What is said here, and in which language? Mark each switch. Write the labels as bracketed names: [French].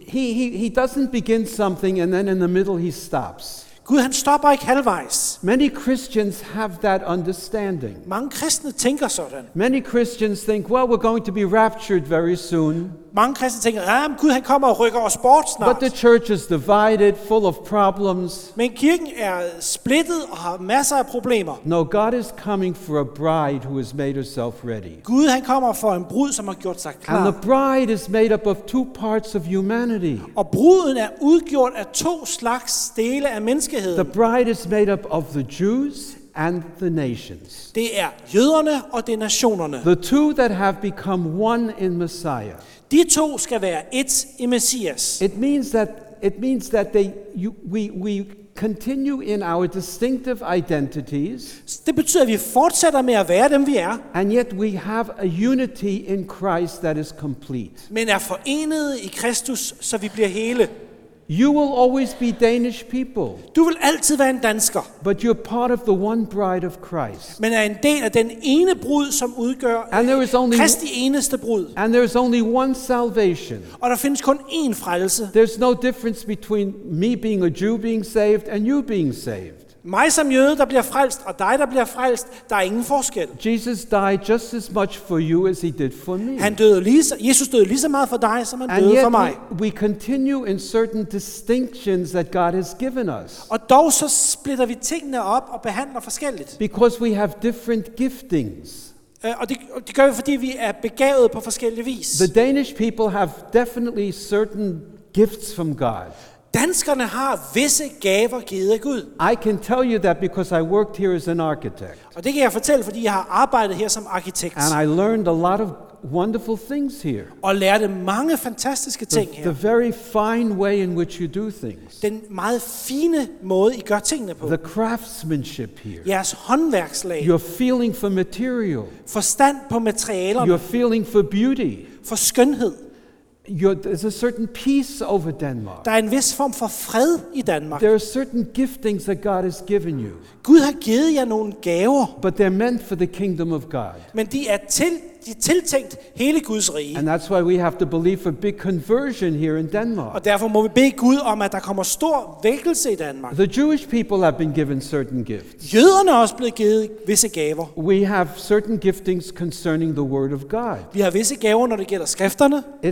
[English] He doesn't begin something and then in the middle he stops. [Danish] Gud, han stopper ikke halvvejs. [English] Many Christians have that understanding. [Danish] Mange kristne tænker sådan. [English] Many Christians think, well, we're going to be raptured very soon. [Danish] Mange kristne tænker, ja, men Gud, han kommer og rykker os bort snart. [English] But the church is divided, full of problems. [Danish] Men kirken er splittet og har masser af problemer. [English] No, God is coming for a bride who has made herself ready. [Danish] Gud, han kommer for en brud, som har gjort sig klar. [English] And the bride is made up of two parts of humanity. [Danish] Og bruden er udgjort af to slags dele af mennesker. [English] The bride is made up of the Jews and the nations. [Danish] Det er jøderne og det er nationerne. [English] The two that have become one in Messiah. [Danish] De to skal være et i Messias. [English] It means that we continue in our distinctive identities. [Danish] Det betyder, at vi fortsætter med at være dem, vi er. [English] And yet we have a unity in Christ that is complete. [Danish] Men er forenet i Kristus, så vi bliver hele. [English] You will always be Danish people. [Danish] Du vil altid være en dansker. [English] But you're part of the one bride of Christ. [Danish] Men er en del af den ene brud, som udgør Kristi eneste brud. [English] And there is only one salvation. [Danish] Og der findes kun én frelse. [English] There's no difference between me being a Jew being saved and you being saved. [Danish] Mig som jøde, der bliver frelst, og dig, der bliver frelst, der er ingen forskel. [English] Jesus died just as much for you as he did for me. [Danish] Jesus døde lige så meget for dig, som han døde for mig. [English] We continue in certain distinctions that God has given us. [Danish] Og dog så splitter vi tingene op og behandler forskelligt. [English] Because we have different giftings. [Danish] Og det gør vi, fordi vi er begavet på forskellige vis. [English] The Danish people have definitely certain gifts from God. [Danish] Danskerne har visse gaver givet af Gud. [English] I can tell you that because I worked here as an architect. [Danish] Og det kan jeg fortælle, fordi jeg har arbejdet her som arkitekt. [English] And I learned a lot of wonderful things here. [Danish] Og lærte mange fantastiske ting her. [English] The very fine way in which you do things. [Danish] Den meget fine måde, I gør tingene på. [English] The craftsmanship here. [Danish] Jeres håndværkslag. [English] Your feeling for material. [Danish] Forstand på materialerne. [English] Your feeling for beauty. [Danish] For skønhed. [English] There's a certain peace over Denmark. [Danish] Der er en vis form for fred i Danmark. [English] There are certain giftings that God has given you. [Danish] Gud har givet jer nogle gaver. [English] But they're meant for the kingdom of God. [Danish] Men de er tiltænkt hele Guds rige. [English] And that's why we have to believe for big conversion here in Denmark. [Danish] Og derfor må vi bede Gud om, at der kommer stor vækkelse i Danmark. [English] The Jewish people have been given certain gifts. [Danish] Jøderne er også blevet givet visse gaver. [English] We have certain giftings concerning the word of God. [Danish] Vi har visse gaver, når det gælder skrifterne.